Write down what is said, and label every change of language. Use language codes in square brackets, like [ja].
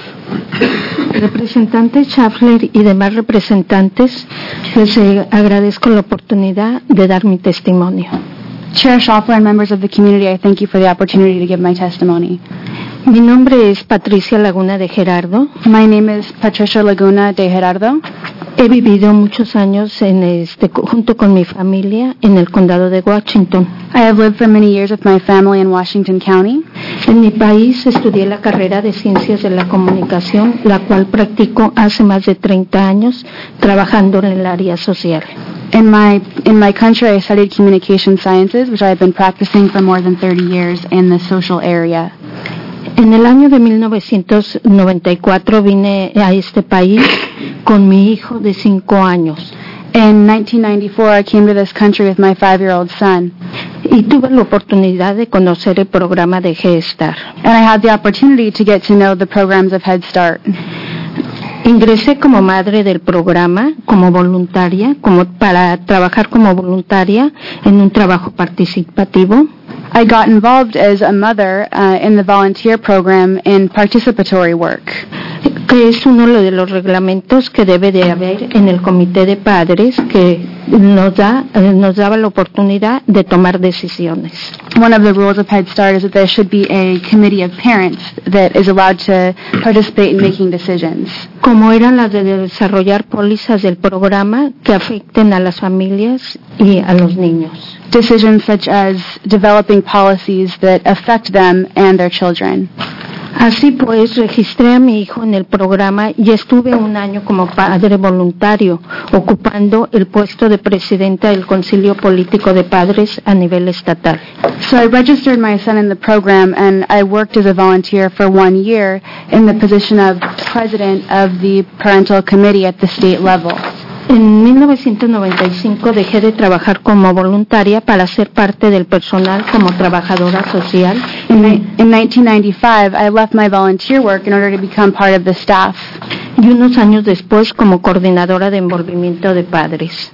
[es] Representante Schaffler y demás representantes, les agradezco la oportunidad de dar mi testimonio. [en] Chair Schaffler and members of the community, I thank you for the opportunity to give my testimony. [es] Mi nombre es Patricia Laguna de Gerardo. [en] My name is Patricia Laguna de Gerardo. [es] He vivido muchos años en este, junto con mi familia en el condado de Washington. [en] I have lived for many years with my family in Washington County. [es] En mi país estudié la carrera de ciencias de la comunicación, la cual practico hace más de 30 años trabajando en el área social. [en] In my country, I studied communication sciences, which I have been practicing for more than 30 years in the social area. [es] En el año de 1994 vine a este país con mi hijo de 5 años. [en] In 1994, I came to this country with my 5-year-old son. [es] Y tuve la oportunidad de conocer el programa de G-Star. [en] And I had the opportunity to get to know the programs of Head Start. [es] Ingresé como madre del programa, como voluntaria, como para trabajar como voluntaria en un trabajo participativo. [en] I got involved as a mother in the volunteer program in participatory work. [es] Que es uno de los reglamentos que debe de haber en el comité de padres que nos daba la oportunidad de tomar decisiones. [en] One of the rules of Head Start is that there should be a committee of parents that is allowed to participate in making decisions. [es] Como eran las de desarrollar pólizas del programa que afecten a las familias y a los niños. [en] Decisions such as developing policies that affect them and their children. [es] Así pues, registré a mi hijo en el programa y estuve un año como padre voluntario, ocupando el puesto de presidenta del Concilio Político de Padres a nivel estatal. [en] So I registered my son in the program and I worked as a volunteer for 1 year in the position of president of the parental committee at the state level. [es] En 1995 dejé de trabajar como voluntaria para ser parte del personal como trabajadora social. [en] In 1995, I left my volunteer work in order to become part of the staff. [es] Y unos años después como coordinadora de envolvimiento de padres.